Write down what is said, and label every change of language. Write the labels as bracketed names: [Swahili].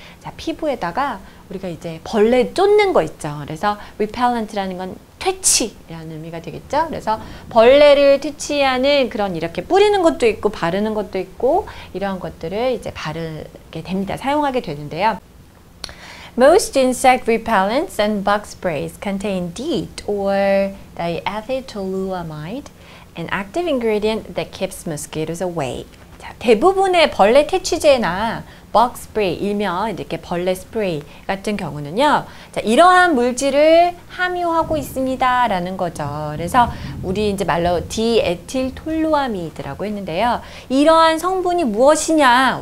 [Korean] 자, 피부에다가 우리가 이제 벌레 쫓는 거 있죠. 그래서 repellent라는 건 퇴치라는 의미가 되겠죠. 그래서 벌레를 퇴치하는 그런 이렇게 뿌리는 것도 있고 바르는 것도 있고 이러한 것들을 이제 바르게 됩니다. 사용하게 되는데요. [English] Most insect repellents and bug sprays contain DEET or diethyltoluamide, an active ingredient that keeps mosquitoes away. [Korean] 자, 대부분의 벌레 퇴치제나 bug spray, 일명 이렇게 벌레 스프레이 같은 경우는요, 자, 이러한 물질을 함유하고 있습니다라는 거죠. 그래서 우리 이제 말로 디에틸톨루아미드라고 했는데요. 이러한 성분이 무엇이냐?